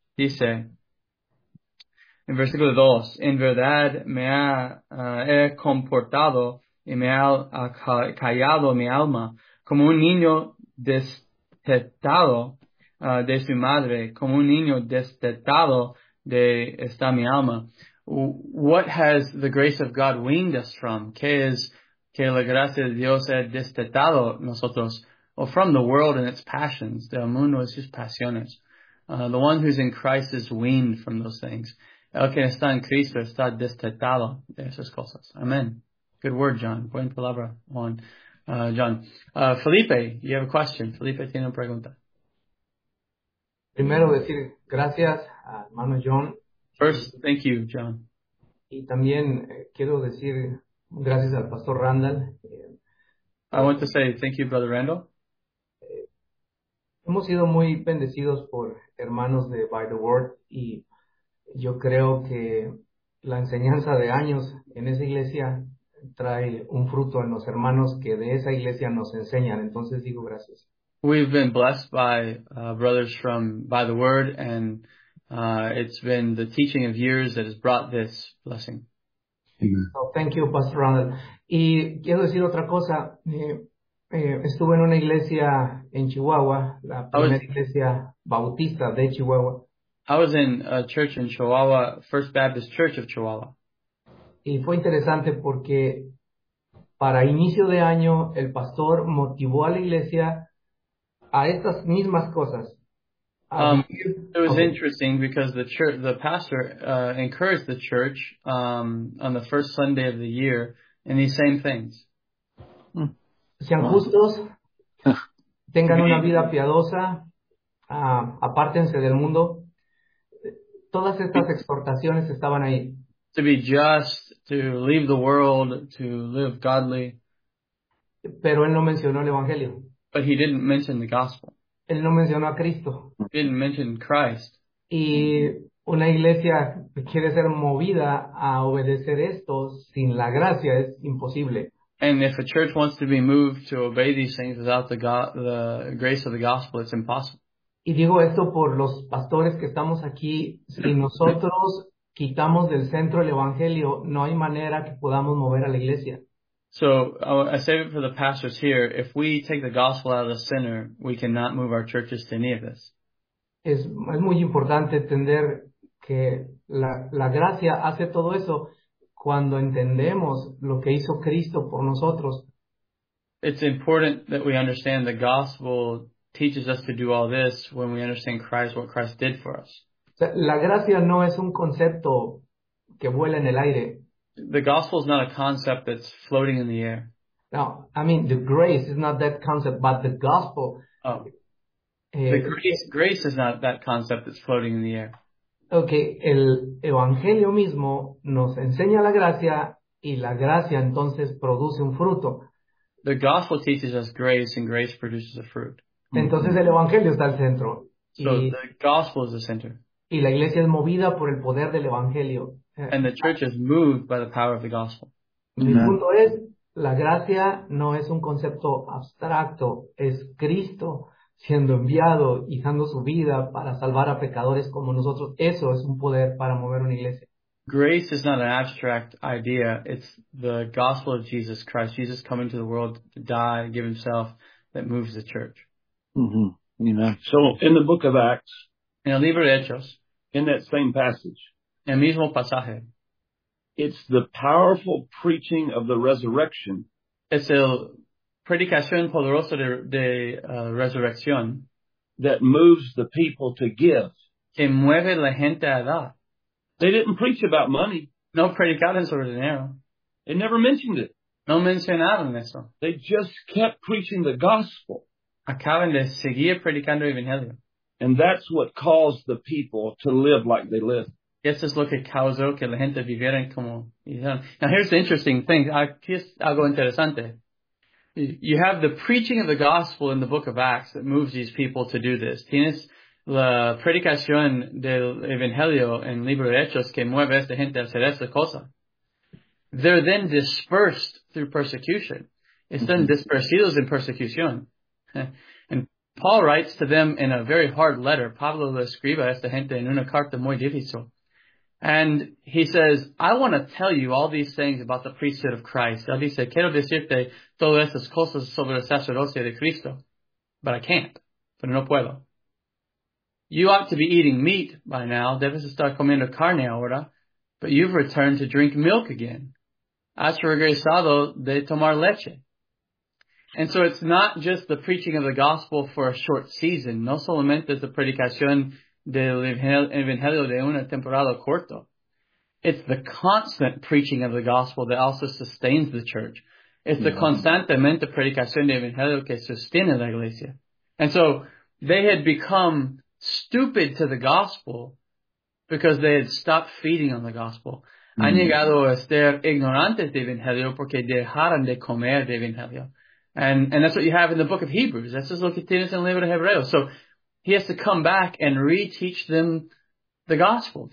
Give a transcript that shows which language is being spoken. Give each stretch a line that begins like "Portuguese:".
Spanish: Dice, in versículo 2, en verdad me ha he comportado y me ha callado mi alma, como un niño destetado de su madre, como un niño destetado de esta mi alma.
English: What has the grace of God weaned us from?
Spanish: Que la gracia de Dios ha destetado nosotros,
English: or from the world and its passions.
Spanish: Del mundo es sus pasiones.
English: The one who's in Christ is weaned from those things.
Spanish: El que está en Cristo está destetado de esas cosas. Amen.
English: Good word, John.
Spanish: Buen palabra, Juan.
English: John. Felipe, you have a question.
Spanish: Felipe tiene una pregunta. Primero decir gracias a hermano John.
English: First, thank you, John.
Spanish: Y también quiero decir gracias al Pastor Randall.
English: I want to say thank you, Brother Randall.
Spanish: Hemos sido muy bendecidos por hermanos de By the Word y yo creo que la enseñanza de años en esa iglesia trae un fruto en los hermanos que de esa iglesia nos enseñan. Entonces digo gracias.
English: We've been blessed by brothers from By the Word and it's been the teaching of years that has brought this blessing. Oh, thank you, Pastor Randall.
Spanish: Y quiero decir otra cosa. Estuve en una iglesia en Chihuahua, la primera iglesia bautista de Chihuahua.
English: I was in a church in Chihuahua, First Baptist Church of Chihuahua.
Spanish: Y fue interesante porque para inicio de año el pastor motivó a la iglesia a estas mismas cosas.
English: It was interesting because the pastor encouraged the church on the first Sunday of the year in these same things.
Spanish: Sean justos, tengan una vida piadosa, apártense del mundo. Todas estas exhortaciones estaban ahí.
English: To be just, to leave the world, to live godly.
Spanish: Pero él no mencionó el evangelio.
English: But he didn't mention the gospel.
Spanish: Él no mencionó a Cristo.
English: He didn't mention Christ.
Spanish: Y una iglesia quiere ser movida a obedecer esto sin la gracia es imposible.
English: And if a church wants to be moved to obey these things without the grace of the gospel, it's impossible.
Spanish: Y digo esto por los pastores que estamos aquí. Si nosotros quitamos del centro el evangelio, no hay manera que podamos mover a la iglesia.
English: So I say it for the pastors here. If we take the gospel out of the center, we cannot move our churches to any of this.
Spanish: Es muy importante entender que la gracia hace todo eso cuando entendemos lo que hizo Cristo por nosotros.
English: It's important that we understand the gospel teaches us to do all this when we understand Christ, what Christ did for us.
Spanish: La gracia no es un concepto que vuela en el aire.
English: The gospel is not a concept that's floating in the air. No, I mean, the grace is not that concept, but the gospel. Grace is not that concept that's floating in the air.
Spanish: Okay, el evangelio mismo nos enseña la gracia, y la gracia entonces produce un fruto.
English: The gospel teaches us grace, and grace produces a fruit.
Spanish: Entonces el evangelio está al centro.
English: So the gospel is the center.
Spanish: Y la iglesia es movida por el poder del evangelio.
English: And the church is moved by the power of the gospel.
Spanish: Mi punto es, la gracia no es un concepto abstracto, es Cristo siendo enviado y dando su vida para salvar a pecadores como nosotros. Eso es un poder para mover una iglesia.
English: Grace is not an abstract idea. It's the gospel of Jesus Christ. Jesus coming to the world to die, give himself, that moves the church. So in the book of Acts,
Spanish: en el libro de Hechos,
English: in that same passage,
Spanish: el mismo pasaje,
English: it's the powerful preaching of the resurrection.
Spanish: Es el predicación poderosa de resurrección
English: that moves the people to give.
Spanish: Que mueve la gente a dar.
English: They didn't preach about money.
Spanish: No predicaron sobre dinero.
English: They never mentioned it.
Spanish: No mencionaron eso.
English: They just kept preaching the gospel.
Spanish: Acaban de seguir predicando el evangelio.
English: And that's what caused the people to live like they live.
Spanish: Y eso es lo que causó que la gente viviera como vivieron.
English: Now here's the interesting thing.
Spanish: Aquí es algo interesante.
English: You have the preaching of the gospel in the book of Acts that moves these people to do this.
Spanish: Tienes la predicación del evangelio en Libro de Hechos que mueve a esta gente a hacer esta cosa.
English: They're then dispersed through persecution.
Spanish: Están dispersidos en persecución.
English: And Paul writes to them in a very hard letter.
Spanish: Pablo le escribe a esta gente en una carta muy difícil.
English: And he says, I want to tell you all these things about the priesthood of Christ.
Spanish: Él dice, quiero decirte todas estas cosas sobre el sacerdocio de Cristo.
English: But I can't.
Spanish: Pero no puedo.
English: You ought to be eating meat by now.
Spanish: Debes estar comiendo carne ahora.
English: But you've returned to drink milk again.
Spanish: Has regresado de tomar leche.
English: And so it's not just the preaching of the gospel for a short season.
Spanish: No solamente es la predicación del evangelio de una temporada corto.
English: It's the constant preaching of the gospel that also sustains the church. It's the
Spanish: constantemente predicación del evangelio que sostiene la iglesia.
English: And so they had become stupid to the gospel because they had stopped feeding on the gospel.
Spanish: Han llegado a ser ignorantes del evangelio porque dejaron de comer del evangelio.
English: And that's what you have in the book of Hebrews. That's just
Spanish: lo que tienes en el libro de Hebreos.
English: So he has to come back and reteach them the gospel.